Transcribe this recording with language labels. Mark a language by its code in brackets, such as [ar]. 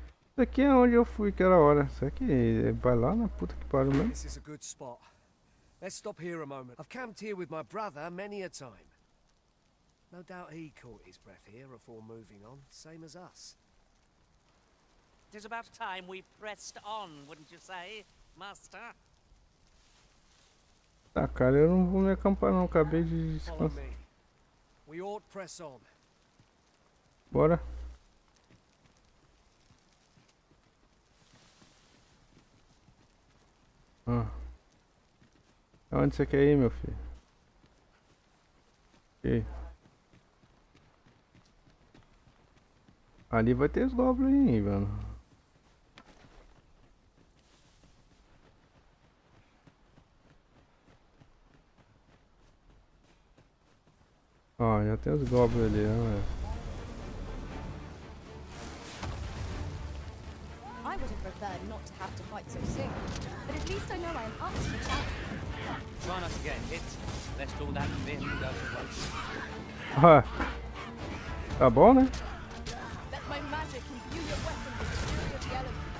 [pt] Isso aqui é onde eu fui aquela hora. Será que ele vai lá na puta que pariu mesmo? [en] This is a good spot. Let's stop here a moment. I've camped here with my brother many a time. No doubt he caught his breath here before moving on, same as us. It is about time we pressed on, wouldn't you say? Master. [pt] Tá, cara, eu não vou me acampar não, acabei de descansar. [en] We ought press on. [pt] Bora. Ah. Onde você quer ir, meu filho? [en] Okay. [pt] Ali vai ter os goblins aí, mano. Ó, já tem os goblins ali, né, velho? [en] I would have preferred not to have to fight so soon, but at least I know I am up to the challenge. Try not to get hit, lest all that wind does at once. [pt] Ah, tá bom, né? [en] Let my magic imbue your weapon with the fury of the elements.